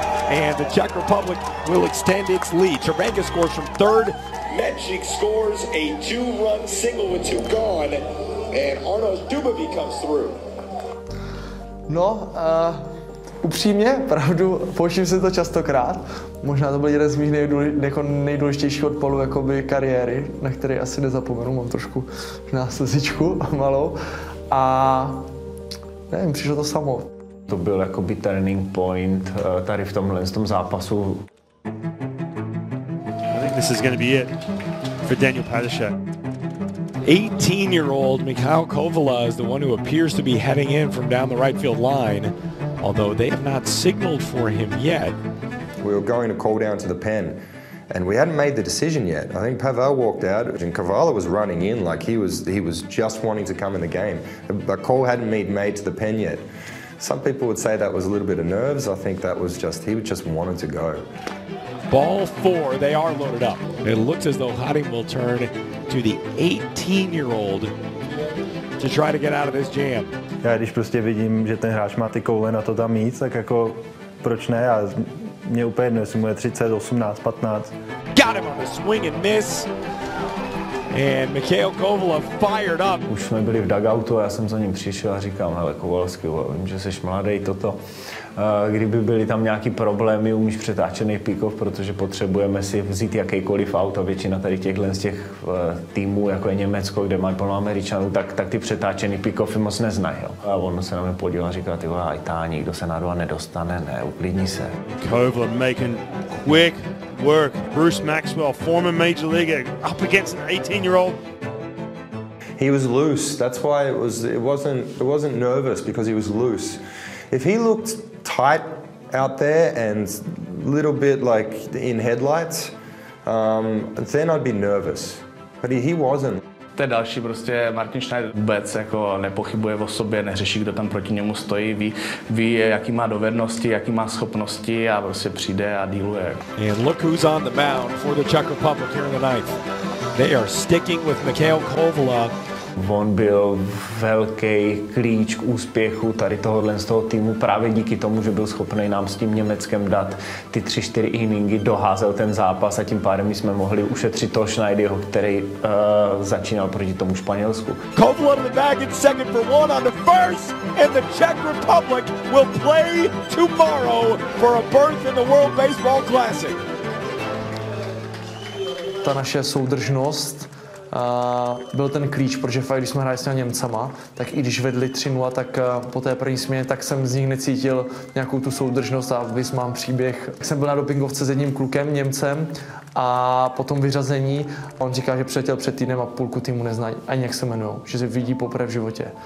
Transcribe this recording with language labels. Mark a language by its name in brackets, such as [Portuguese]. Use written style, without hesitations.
[English] And the Czech Republic will extend its lead. Cervenka scores from third. Medzik scores a two-run single with two gone. And Arnoš Dubovy comes through. [Czech] No, upřímně, pravdu, pouštím se to častokrát. Možná to byl jeden z mých nejdůležitějších odpolů jakoby kariéry, na který asi nezapomenu, mám trošku na slzičku malou. A nevím, přišlo to samo. To byl jakoby turning point tady v tomhle z tom zápasu. [English] I think this is going to be it for Daniel Padešák. 18-year-old Mikhail Kovala is the one who appears to be heading in from down the right field line, although they have not signaled for him yet. We were going to call down to the pen, and we hadn't made the decision yet. I think Pavel walked out, and Kovala was running in like he was just wanting to come in the game. The call hadn't been made to the pen yet. Some people would say that was a little bit of nerves. I think that was just, he just wanted to go. Ball four, they are loaded up. It looks as though Hadding will turn to the 18-year-old to try to get out of this jam. [Czech] Já když prostě vidím, že ten hráč má ty koule na to tam mít, tak jako proč ne? Já mě úplně jedno, jestli mu je 30, 18, 15. [English] Got him on the swing and miss. And Mikhail Kovala fired up. [Czech] Už jsme byli v dugoutu a já jsem za ním přišel a říkám, hele Kovalsky, vím, že jsi mladý, toto. Kdyby byly tam nějaký problémy, umíš přetáčený pick-off, protože potřebujeme si vzít jakýkoliv auto, většina tady těchhle z těch týmů, jako je Německo, kde mají plno Američanů, tak ty přetáčený pick-offy moc neznají. A on se na mě podíval a říkal, tyhle, aj tá, nikdo se na dva nedostane, ne, uklidni se. [English] Kovala making quick work. Bruce Maxwell, former major leaguer, up against an 18-year-old. He was loose, that's why it wasn't nervous, because he was loose. If he looked tight out there and a little bit like in headlights, then I'd be nervous. But he wasn't. [Czech] To je další, prostě Martin Schneider vůbec jako nepochybuje o sobě, neřeší, kdo tam proti němu stojí, ví jaký má dovednosti, jaký má schopnosti a prostě přijde a dealuje. [English] And look who's on the mound for the Czech Republic here in the ninth. They are sticking with Mikhail Kovalov. [Czech] On byl velký klíč k úspěchu tady tohohle z toho týmu právě díky tomu, že byl schopný nám s tím Německem dát ty 3-4 inningy, doházel ten zápas a tím pádem jsme mohli ušetřit toho Schneiderho, který začínal proti tomu Španělsku. [English] Kovalov in the bag in second for one on the first and the Czech Republic will play tomorrow for a berth in the World Baseball Classic. [Czech] Ta naše soudržnost byl ten klíč, protože fakt, když jsme hráli s těmi Němcama, tak i když vedli 3-0, tak po té první směně, tak jsem z nich necítil nějakou tu soudržnost a vys mám příběh. Tak jsem byl na dopingovce s jedním klukem, Němcem, a po tom vyřazení on říká, že přiletěl před týdnem a půlku týmu nezná, ani jak se jmenují, že se vidí poprvé v životě.